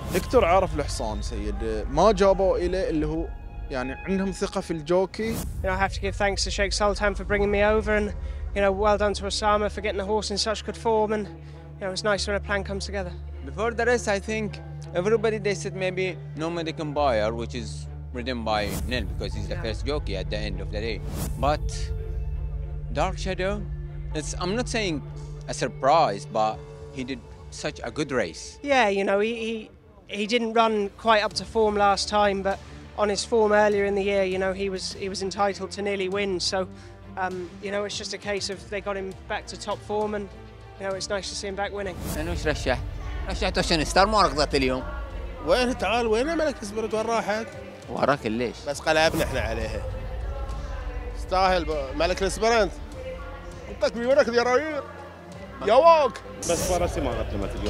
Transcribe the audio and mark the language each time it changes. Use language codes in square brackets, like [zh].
[ar] هكتر عارف الحصان سيد ما جابوا اليه اللي هو يعني عندهم ثقه في الجوكي [en] you know, I have to give thanks to Sheikh Sultan for bringing me over and you know well done to Osama for getting the horse in such good form and Yeah, it was nice when a plan comes together. Before the race, I think everybody they said maybe Nomadic Empire, which is ridden by Nil because he's the first jockey at the end of the day. But Dark Shadow, it's I'm not saying a surprise, but he did such a good race. Yeah, you know, he didn't run quite up to form last time, but on his form earlier in the year, you know, he was entitled to nearly win. So, you know, it's just a case of they got him back to top form and. You know, it's nice to see him back winning. [ar] شنو رشح؟ رشحت عشان ستار ما ركضت اليوم. وين تعال وين ملك اسبرت وين راحت؟ وراك ليش؟ بس قلبنا احنا عليها. استاهل ملك الاسبرنت. انطك في وينك الجراير؟ يا واك بس فرسي ما قدمت اليوم.